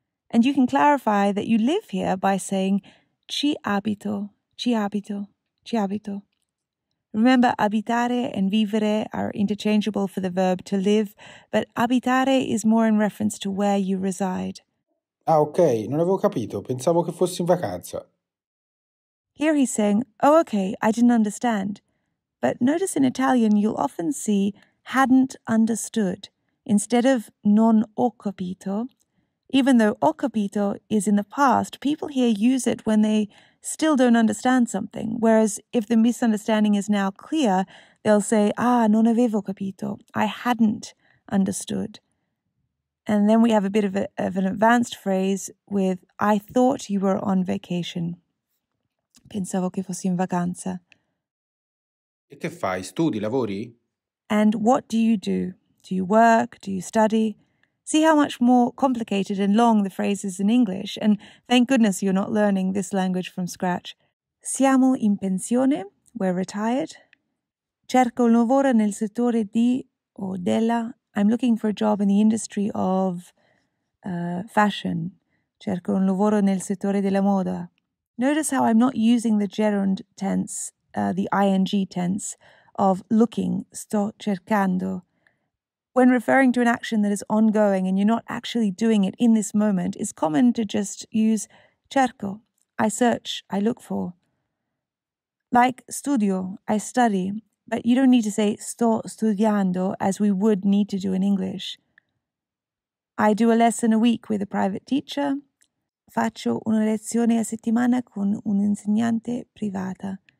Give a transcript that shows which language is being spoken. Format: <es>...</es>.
<en>And you can clarify that you live here by saying</en> <it>ci abito, ci abito, ci abito.</it> <en>Remember, abitare and vivere are interchangeable for the verb to live, but abitare is more in reference to where you reside.</en> <it>Ah, okay, non avevo capito, pensavo che fossi in vacanza.</it> <en>Here he's saying, oh, okay, I didn't understand. But notice in Italian you'll often see hadn't understood instead of</en> <it>non ho capito.</it> <en>Even though</en> <it>ho capito</it> <en>is in the past, people here use it when they still don't understand something. Whereas if the misunderstanding is now clear, they'll say,</en> <it>ah, non avevo capito,</it> <en>I hadn't understood. And then we have a bit of an advanced phrase with I thought you were on vacation.</en> <it>Pensavo che fossi in vacanza. E che fai? Studi, lavori?</it> <en>And what do you do? Do you work? Do you study? See how much more complicated and long the phrase is in English, and thank goodness you're not learning this language from scratch.</en> <it>Siamo in pensione,</it> <en>we're retired.</en> <it>Cerco un lavoro nel settore di o della.</it> <en>I'm looking for a job in the industry of fashion.</en> <it>Cerco un lavoro nel settore della moda.</it> <en>Notice how I'm not using the gerund tense, the ing tense of looking,</en> <it>sto cercando.</it> <en>When referring to an action that is ongoing and you're not actually doing it in this moment, it's common to just use cerco, I search, I look for. Like studio, I study, but you don't need to say</en> <it>sto studiando</it> <en>as we would need to do in English. I do a lesson a week with a private teacher.</en> <it>Faccio una lezione a settimana con un'insegnante privata.</it>